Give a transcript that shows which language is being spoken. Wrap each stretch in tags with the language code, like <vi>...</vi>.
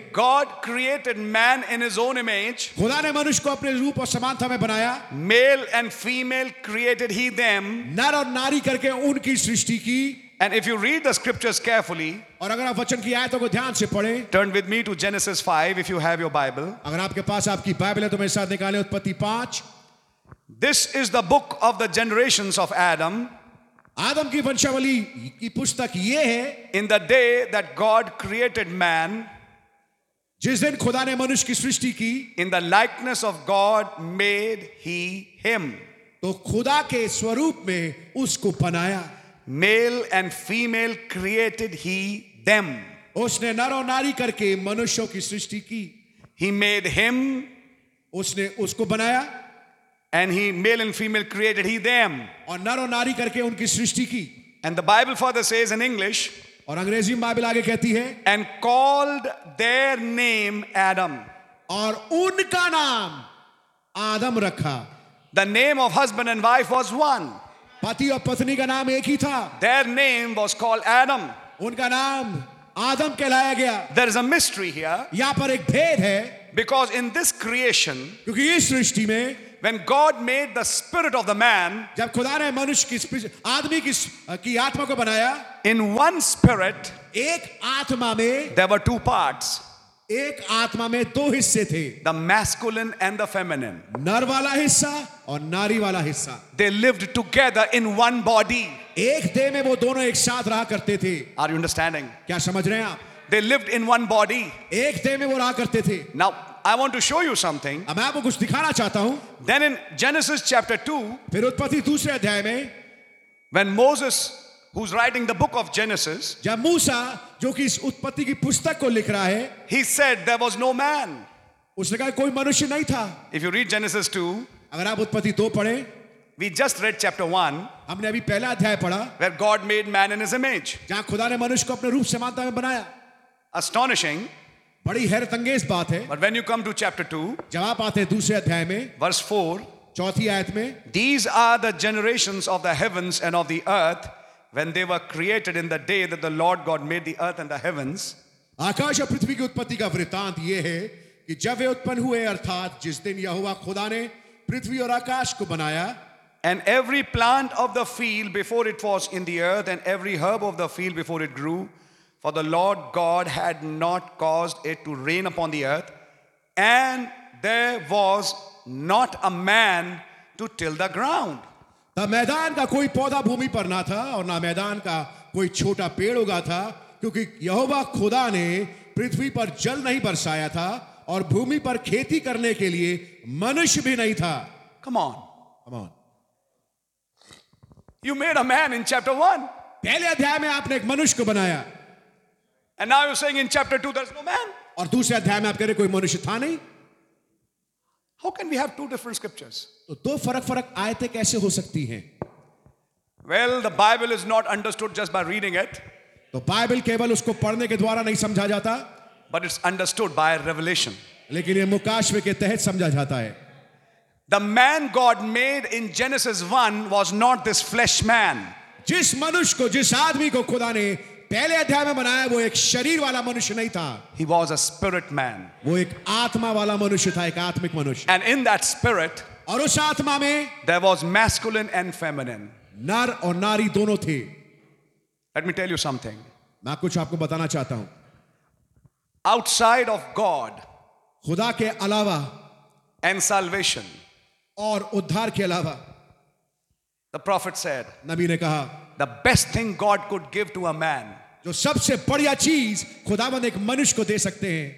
<en>God created man in his own image.</en> <hi>खुदा ने मनुष्य को अपने रूप और समानता में बनाया.</hi> <en>Male and female created he them.</en> <hi>नर और नारी करके उनकी सृष्टि की.</hi> <en>And if you read the scriptures carefully,</en> <hi>और अगर आप वचन की आयतों को ध्यान से पढ़ें,</hi> <en>turn with me to Genesis 5 if you have your Bible.</en> <hi>अगर आपके पास आपकी बाइबल है तो मेरे साथ निकालें उत्पत्ति 5.</hi> <en>This is the book of the generations of Adam.</en> <hi>आदम की वंशावली की पुस्तक ये है.</hi> <en>In the day that God created man,</en> <hi>जिस दिन खुदा ने मनुष्य की सृष्टि की,</hi> <en>in the likeness of God made he him.</en> <hi>तो खुदा के स्वरूप में उसको बनाया.</hi> <en>Male and female created he them.</en> <hi>उसने नर और नारी करके मनुष्यों की सृष्टि की.</hi> <en>He made him.</en> <hi>उसने उसको बनाया.</hi> <en>And he male and female created he them.</en> <hi>और नर और नारी करके उनकी सृष्टि की.</hi> <en>And the Bible further says in English.</en> <hi>और अंग्रेजी में बाइबल आगे कहती है.</hi> <en>And called their name Adam.</en> <hi>और उनका नाम आदम रखा.</hi> <en>The name of husband and wife was one.</en> <hi>पति और पत्नी का नाम एक ही था.</hi> <en>Their name was called Adam.</en> <hi>उनका नाम आदम कहलाया गया.</hi> <en>There is a mystery here.</en> <hi>यहाँ पर एक भेद है.</hi> <en>Because in this creation,</en> <hi>क्योंकि इस सृष्टि में,</hi> <en>when God made the spirit of the man,</en> <hi>जब खुदा ने मनुष्य की आदमी की आत्मा को बनाया,</hi> <en>in one spirit,</en> <hi>एक आत्मा में,</hi> <en>there were two parts.</en> <hi>एक आत्मा में दो हिस्से थे.</hi> <en>The masculine and the feminine.</en> <hi>नर वाला हिस्सा और नारी वाला हिस्सा.</hi> <en>They lived together in one body.</en> <hi>एक देह में वो दोनों एक साथ रहा करते थे.</hi> <en>Are you understanding?</en> <hi>क्या समझ रहे हैं आप?</hi> <en>They lived in one body.</en> <hi>एक देह में वो रहा करते थे.</hi> <en>Now I want to show you something.</en> <hi>अब मैं आपको कुछ दिखाना चाहता हूं.</hi> <en>then in Genesis chapter 2,</en> <hi>फिर उत्पत्ति दूसरे अध्याय में,</hi> <en>when Moses, who's writing the book of Genesis,</en> <hi>जब मूसा जो कि इस उत्पत्ति की पुस्तक को लिख रहा है,</hi> <en>he said there was no man.</en> <hi>उसने कहा कोई मनुष्य नहीं था.</hi> <en>If you read Genesis 2,</en> <hi>अगर आप उत्पत्ति 2 पढ़ें,</hi> <en>We just read chapter 1.</en> <hi>हमने अभी पहला अध्याय पढ़ा.</hi> <en>Where God made man in his image.</en> <hi>जहाँ खुदा ने मनुष्य को अपने रूप समानता में बनाया.</hi> <en>Astonishing.</en> <hi>बड़ी हैरतअंगेज बात है.</hi> <en>But when you come to chapter 2.</en> <hi>जब आप आते हैं दूसरे अध्याय में.</hi> <en>Verse 4.</en> <hi>चौथी आयत में.</hi> <en>These are the generations of the heavens and of the earth when they were created in the day that the Lord God made the earth and the heavens.</en> <hi>आकाश और पृथ्वी की उत्पत्ति का वृतांत ये है कि जब वे उत्पन्न हुए अर्थात जिस दिन यहोवा खुदा ने पृथ्वी और आकाश को बनाया.</hi> <en>And every plant of the field before it was in the earth and every herb of the field before it grew, for the Lord God had not caused it to rain upon the earth, and there was not a man to till the ground.</en> <hi>The मैदान का कोई पौधा भूमि पर ना था और ना मैदान का कोई छोटा पेड़ उगा था क्योंकि यहोवा खुदा ने पृथ्वी पर जल नहीं बरसाया था और भूमि पर खेती करने के लिए मनुष्य भी नहीं था.</hi> <en>Come on. You made a man in chapter 1.</en> <hi>पहले अध्याय में आपने एक मनुष्य को बनाया.</hi> <en>And now you're saying in chapter 2 there's no man.</en> <hi>और दूसरे अध्याय में आप कह रहे कोई मनुष्य था नहीं.</hi> <en>How can we have two different scriptures?</en> <hi>तो दो फरक-फरक आयतें कैसे हो सकती हैं?</hi> <en>Well, the Bible is not understood just by reading it.</en> <hi>तो बाइबल केवल उसको पढ़ने के द्वारा नहीं समझा जाता.</hi> <en>But it's understood by revelation.</en> <hi>लेकिन ये मुकाशवे के तहत समझा जाता है.</hi> <en>The man God made in Genesis 1 was not this flesh man.</en> <hi>जिस मनुष्य को जिस आदमी को खुदा ने पहले अध्याय में बनाया वो एक शरीर वाला मनुष्य नहीं था.</hi> <en>He was a spirit man.</en> <hi>वो एक आत्मा वाला मनुष्य था, एक आत्मिक मनुष्य.</hi> <en>And in that spirit,</en> <hi>और उस आत्मा में,</hi> <en>there was masculine and feminine.</en> <hi>नर और नारी दोनों थे.</hi> <en>Let me tell you something.</en> <hi>मैं कुछ आपको बताना चाहता हूं.</hi> <en>Outside of God,</en> <hi>खुदा के अलावा,</hi> <en>and salvation,</en> <hi>और उद्धार के अलावा,</hi> <en>the prophet said,</en> <hi>नबी ने कहा,</hi> <en>the best thing God could give to a man,</en> <hi>जो सबसे बढ़िया चीज खुदावंद एक मनुष्य को दे सकते हैं,</hi>